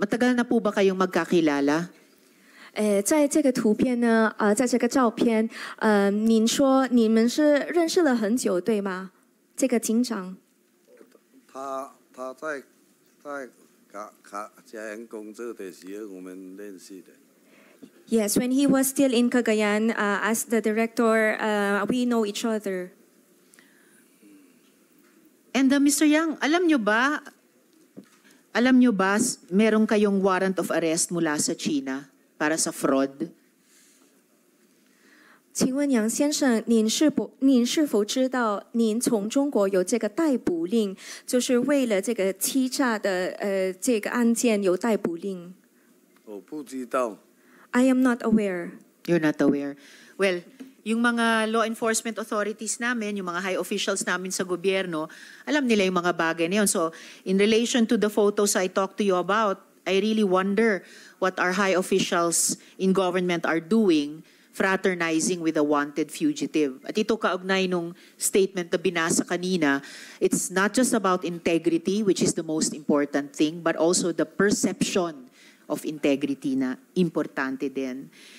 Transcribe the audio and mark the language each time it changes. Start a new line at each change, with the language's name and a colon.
Filipino: Matagal na po ba kayong magkakilala?
Chinese: 在这个图片呢，在这个照片，您说你们是认识了很久，对吗？这个警长，他在卡加园工作的时候，我们认识的。
English: Yes, when he was still in Cagayan, as the director, we know each other. And Mr. Yang,
Filipino: alam nyo ba, meron kayong
English: warrant of arrest
Filipino: mula sa China? Para sa fraud.
Chinese: 请问杨先生，您是否知道您从中国有这个逮捕令，就是为了这个欺诈的这个案件有逮捕令？我不知道。
English: I am not aware. You're not aware. Well,
Filipino: yung mga
English: law enforcement authorities
Filipino: namin, yung mga
English: high officials
Filipino: namin sa gobyerno, alam nila yung mga bagay na yun.
English: So, in relation to the photos I talked to you about, I really wonder what our high officials in government are doing fraternizing with a wanted fugitive.
Filipino: At ito kaugnay nung statement na binasa kanina,
English: it's not just about integrity, which is the most important thing, but also the perception of integrity
Filipino: na importante din.